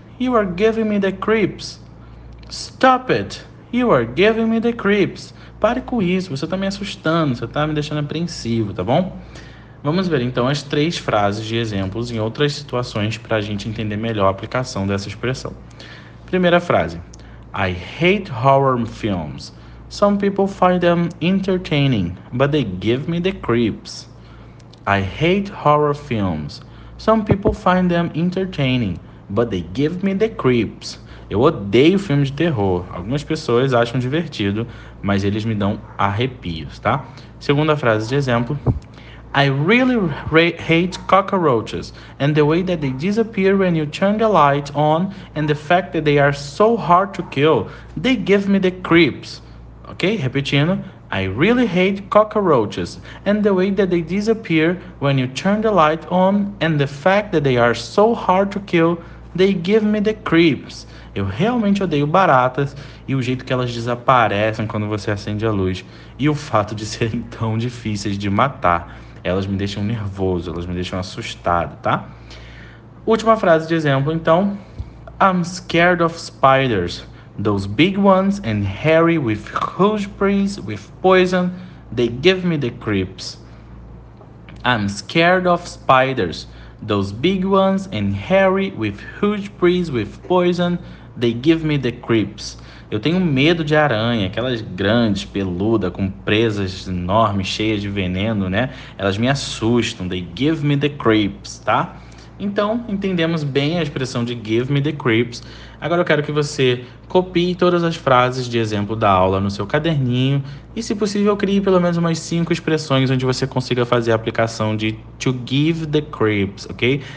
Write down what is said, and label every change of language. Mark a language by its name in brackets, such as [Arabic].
[English] You are giving me the creeps. Stop it. You are giving me the creeps. [Portuguese] Pare com isso. Você tá me assustando. Você tá me deixando apreensivo, tá bom? Vamos ver então as três frases de exemplos em outras situações para a gente entender melhor a aplicação dessa expressão. Primeira frase: [English] I hate horror films. Some people find them entertaining, but they give me the creeps. I hate horror films. Some people find them entertaining, but they give me the creeps. [Portuguese] Eu odeio filmes de terror. Algumas pessoas acham divertido, mas eles me dão arrepios, tá? Segunda frase de exemplo. [English] I really hate cockroaches and the way that they disappear when you turn the light on and the fact that they are so hard to kill, they give me the creeps. Ok? [Portuguese] Repetindo. [English] I really hate cockroaches and the way that they disappear when you turn the light on and the fact that they are so hard to kill, they give me the creeps. [Portuguese] Eu realmente odeio baratas e o jeito que elas desaparecem quando você acende a luz e o fato de serem tão difíceis de matar. Elas me deixam nervoso, elas me deixam assustado, tá? Última frase de exemplo, então. [English] I'm scared of spiders. Those big ones and hairy with huge brains with poison, they give me the creeps. I'm scared of spiders. Those big ones and hairy with huge brains with poison, they give me the creeps. [Portuguese] Eu tenho medo de aranha, aquelas grandes, peludas, com presas enormes, cheias de veneno, né? Elas me assustam, [English] they give me the creeps, [Portuguese] tá? Então, entendemos bem a expressão de [English] give me the creeps. [Portuguese] Agora eu quero que você copie todas as frases de exemplo da aula no seu caderninho e, se possível, crie pelo menos umas cinco expressões onde você consiga fazer a aplicação de [English] to give the creeps, [Portuguese] ok?